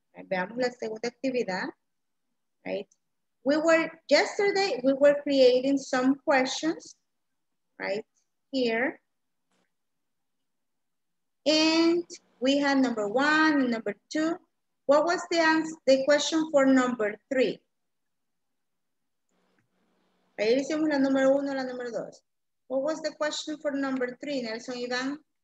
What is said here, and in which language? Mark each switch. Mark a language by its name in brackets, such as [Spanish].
[Spanish] Veamos la segunda actividad. [English] Right? We were, yesterday, we were creating some questions right here. And we had number one, number two. What was the answer, the question for number three? [Spanish] Ahí hicimos la número uno, la número dos. [English] What was the question for number three, Nelson Ivan?